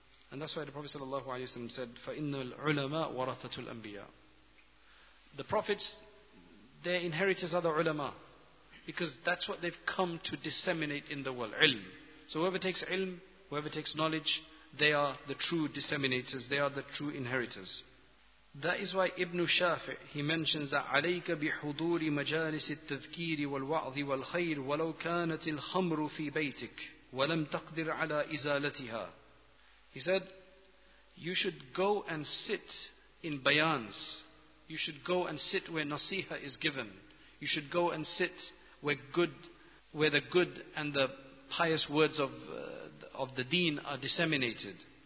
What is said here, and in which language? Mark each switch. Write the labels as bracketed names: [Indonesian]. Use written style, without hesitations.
[English] And that's why the Prophet sallallahu alaihi wasallam said, [Arabic] فَإِنَّ الْعُلَمَاءُ وَرَثَةُ الْأَنْبِيَاءِ. [English] The Prophets, their inheritors are the ulama. Because that's what they've come to disseminate in the world, ilm. So whoever takes ilm, whoever takes knowledge, they are the true disseminators, they are the true inheritors. That is why Ibn Shafi' he mentions that [Arabic] عَلَيْكَ بِحُضُورِ مَجَالِسِ التَّذْكِيرِ وَالْوَعْظِ وَالْخَيْرِ وَلَوْ كَانَتِ الْخَمْرُ فِي بَيْتِكَ وَلَمْ تَقْدِرْ عَلَىٰ إِزَالَتِهَا. [English] He said, you should go and sit in bayans. You should go and sit where nasiha is given. You should go and sit where the good and the pious words of the deen are disseminated.